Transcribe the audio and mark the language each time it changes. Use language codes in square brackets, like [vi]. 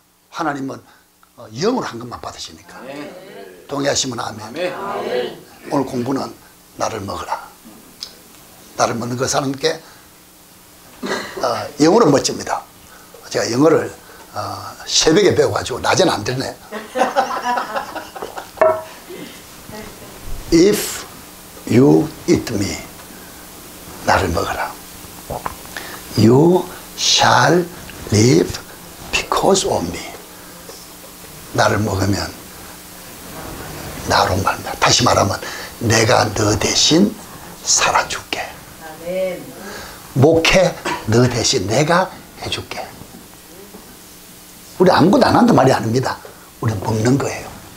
[ko] 하나님은 영으로 한 것만 받으시니까. 동의하시면 아멘. 오늘 공부는 나를 먹어라. 나를 먹는 것 사람께 영어로 멋집니다. 제가 영어를 새벽에 배워가지고 낮에는 안 되네. [en] If you eat me, [ko] 나를 먹어라. [en] You shall live because of me. [ko] 나를 먹으면 나로 말입니다. 다시 말하면 내가 너 대신 살아줄게. 목해 너 대신 내가 해줄게. 우리 아무것도 안 한다 말이 아닙니다. 우리 먹는 거예요.